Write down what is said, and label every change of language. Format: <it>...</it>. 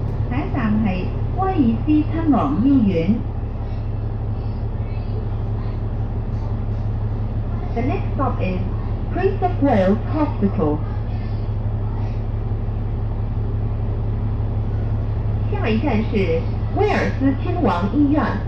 <zh>下一站是威尔斯亲王医院。</zh> <en>The next stop is Prince of Wales Hospital.</en> <zh>下一站是威尔斯亲王医院。</zh>